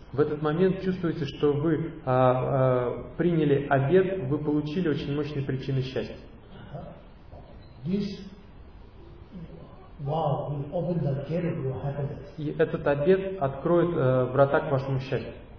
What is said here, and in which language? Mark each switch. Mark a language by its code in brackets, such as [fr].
[ru] В этот момент чувствуете, что вы приняли обет, вы получили очень мощные причины счастья. [en] This vow will open the gate of your happiness. [ru] И этот обет откроет врата к вашему счастью.